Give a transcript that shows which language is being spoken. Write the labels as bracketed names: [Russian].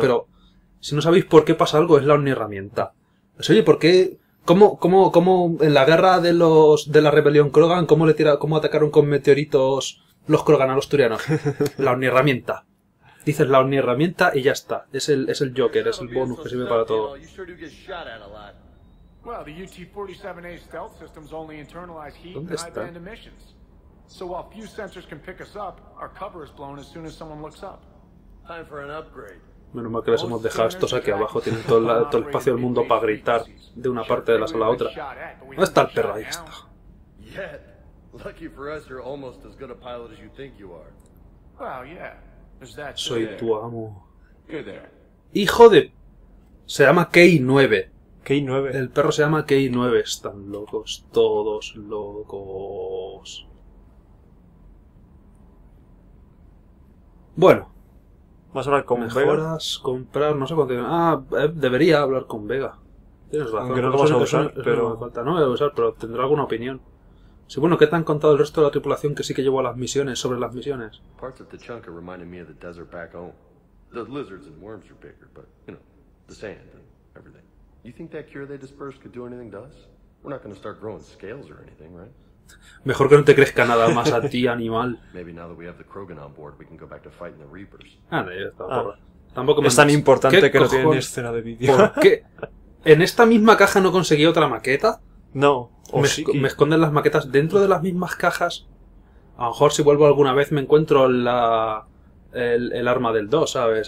[Spanish] Pero si no sabéis por qué pasa algo es la omnierramienta. Pues, oye, ¿por qué cómo en la guerra de los de la rebelión Krogan cómo atacaron con meteoritos los Krogan a los turianos? La omnierramienta. Dices la omnierramienta y ya está. Es el Joker, es el bonus que sirve para todo. [English] Well, the UT-47A stealth systems only internalize heat and high band emissions. So while few sensors can pick us up, our cover is blown as soon as someone looks up. Time for an upgrade. [Spanish] Menos mal que les hemos dejado estos aquí abajo. Tienen todo el espacio del mundo para gritar de una parte de la sala a otra. ¿Dónde está el perro? Ahí está. [English] Yet, lucky for us, you're almost as good a pilot as you think you are. Well, yeah. Is that true? [Spanish] Soy tu amo. [English] You're there. [Spanish] Hijo de... Se llama K-9. K9. El perro se llama K9. Están locos. Todos locos. Bueno. ¿Vas a hablar con mejoras, Vega? Mejoras, comprar, no sé cuánto. Debería hablar con Vega. Tienes razón. Aunque no lo vas a usar, pero... Me falta. No me voy a usar, pero tendrá alguna opinión. Sí, bueno, ¿qué te han contado el resto de la tripulación que sí que llevó a las misiones, sobre las misiones? [English] Parts of the chunk are reminding me of the desert back home. The lizards and worms are bigger, but, you know, the sand and everything. You think that cure they dispersed could do anything to us? We're not going to start growing scales or anything, right? [Spanish] Mejor que no te crezca nada más a ti, animal. [English] Maybe now that we have the Krogan on board, we can go back to fighting the Reapers. [Spanish] Ah, no, tampoco es tan importante que no tiene escena de vídeo. ¿Por qué? ¿En esta misma caja no conseguí otra maqueta? No. ¿Me esconden las maquetas dentro de las mismas cajas? A lo mejor si vuelvo alguna vez me encuentro el arma del 2, ¿sabes?